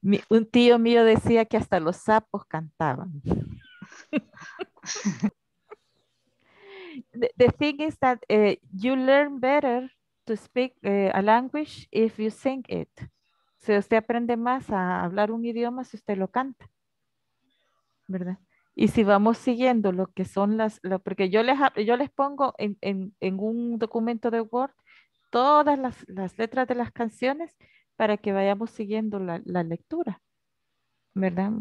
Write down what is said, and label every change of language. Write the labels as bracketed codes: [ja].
[es] Un tío mío decía que hasta los sapos cantaban. [en] The thing is that you learn better to speak a language if you sing it. [es] Si usted aprende más a hablar un idioma si usted lo canta, ¿verdad? Y si vamos siguiendo lo que son las, porque yo les pongo en un documento de Word todas las letras de las canciones para que vayamos siguiendo la lectura, ¿verdad?